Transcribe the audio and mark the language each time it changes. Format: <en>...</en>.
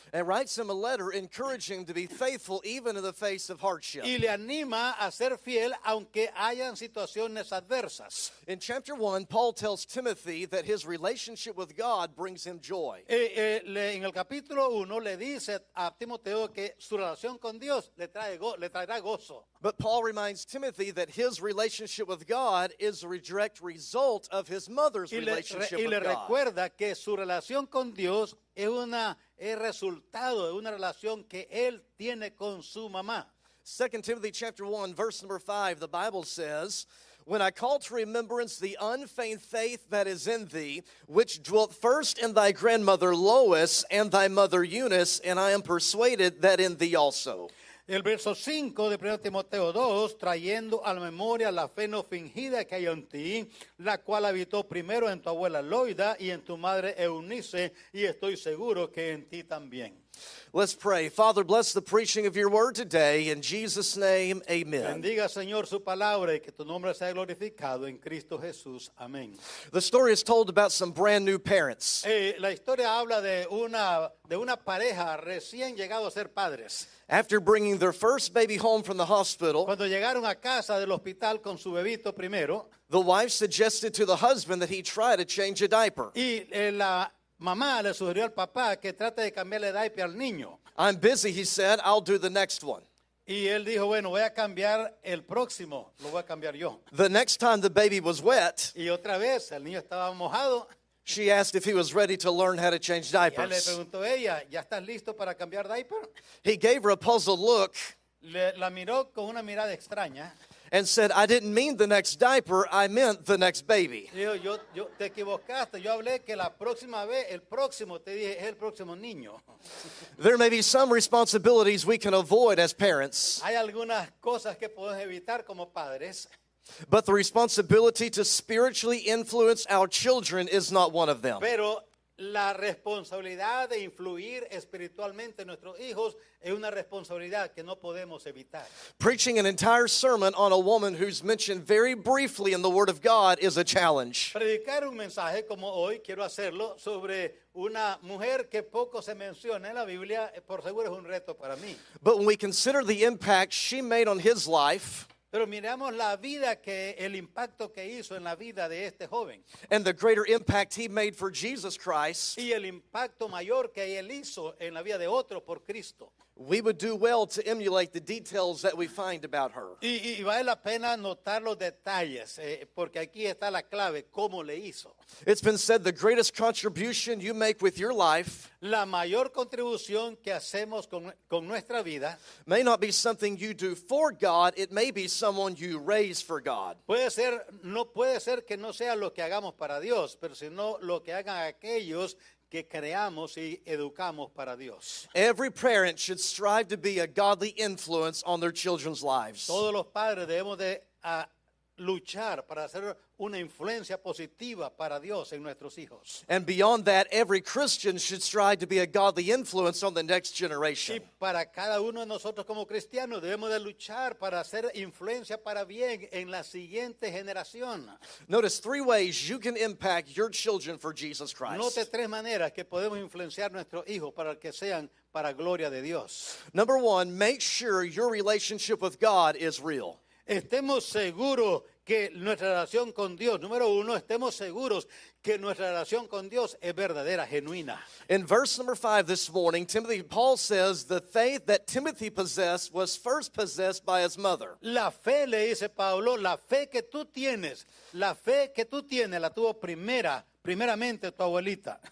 <en>And writes him a letter encouraging him to be faithful even in the face of hardship.</en> <es>Y le anima a ser fiel aunque hayan situaciones adversas.</es> <en>In chapter 1, Paul tells Timothy that his relationship with God brings him</en> <es>En el capítulo 1 le dice a Timoteo que su relación con Dios le traerá gozo.</es> <en>But Paul reminds Timothy that his relationship with God is a direct result of his mother's relationship with God.</en> <es>Y le recuerda que su relación con Dios es resultado de una relación que él tiene con su mamá.</es> <en>2 Timothy chapter 1 verse number 5, the Bible says, when I call to remembrance the unfeigned faith that is in thee, which dwelt first in thy grandmother Lois and thy mother Eunice, and I am persuaded that in thee also.</en> <es>El verso 5 de 1 Timoteo 2, trayendo a la memoria la fe no fingida que hay en ti, la cual habitó primero en tu abuela Loida y en tu madre Eunice, y estoy seguro que en ti también.</es> <en>Let's pray. Father, bless the preaching of your word today. In Jesus' name, amen.</en> <es>Bendiga, Señor, su palabra y que tu nombre sea glorificado en Cristo Jesús. Amén.</es> <en>The story is told about some brand new parents.</en> <es>La historia habla de una pareja recién llegado a ser padres.</es> <en>After bringing their first baby home from the hospital,</en> <es>cuando llegaron a casa del hospital con su bebito primero,</es> <en>the wife suggested to the husband that he try to change a diaper.</en> <es>Y la mamá le sugirió al papá que trate de cambiarle diaper al niño.</es> <en>I'm busy, he said. I'll do the next one.</en> <es>Y él dijo, bueno, voy a cambiar el próximo. Lo voy a cambiar yo.</es> <en>The next time the baby was wet.</en> <es>Y otra vez, el niño estaba mojado.</es> <en>She asked if he was ready to learn how to change diapers.</en> <es>Y le preguntó ella, ¿ya estás listo para cambiar diaper?</es> <en>He gave her a puzzled look.</en> <es>La miró con una mirada extraña.</es> <en>And said, I didn't mean the next diaper, I meant the next baby.</en> <es>Yo te equivocaste, yo hablé que la próxima vez, el próximo, te dije, es el próximo niño.</es> <en>There may be some responsibilities we can avoid as parents.</en> <es>Hay algunas cosas que podemos evitar como padres.</es> <en>But the responsibility to spiritually influence our children is not one of them.</en> <es>Pero la responsabilidad de influir espiritualmente en nuestros hijos es una responsabilidad que no podemos evitar.</es> <en>Preaching an entire sermon on a woman who's mentioned very briefly in the Word of God is a challenge.</en> <es>Predicar un mensaje como hoy, quiero hacerlo, sobre una mujer que poco se menciona en la Biblia, por seguro es un reto para mí.</es> <en>But when we consider the impact she made on his life,</en> <es>Pero miramos la vida que el impacto que hizo en la vida de este joven.</es> <en>And the greater impact he made for Jesus Christ.</en> <es>Y el impacto mayor que él hizo en la vida de otro por Cristo.</es> <en>We would do well to emulate the details that we find about her.</en> <es>Y vale la pena notar los detalles, porque aquí está la clave, cómo le hizo.</es> <en>It's been said the greatest contribution you make with your life.</en> <es>La mayor contribución que hacemos con nuestra vida.</es> <en>May not be something you do for God, it may be someone you raise for God.</en> <es>Puede ser que no sea lo que hagamos para Dios, pero sino lo que hagan aquellos que creamos y educamos para Dios.</es> <en>Every parent should strive to be a godly influence on their children's lives.</en> <es>Todos los padres debemos de luchar para hacer una influencia positiva para Dios en nuestros hijos.</es> <en>And beyond that, every Christian should strive to be a godly influence on the next generation.</en> <es>Y para cada uno de nosotros como cristianos debemos de luchar para hacer influencia para bien en la siguiente generación.</es> <en>Notice three ways you can impact your children for Jesus Christ.</en> <es>Note tres maneras que podemos influenciar nuestros hijos para que sean para gloria de Dios.</es> <en>Number one, make sure your relationship with God is real.</en> <es>Estemos seguros que nuestra relación con Dios, número uno, estemos seguros que nuestra relación con Dios es verdadera, genuina.</es> <en>In verse number 5 this morning, Timothy, Paul says, the faith that Timothy possessed was first possessed by his mother.</en> <es>La fe, le dice Pablo, la fe que tú tienes la tuvo primeramente tu abuelita.</es>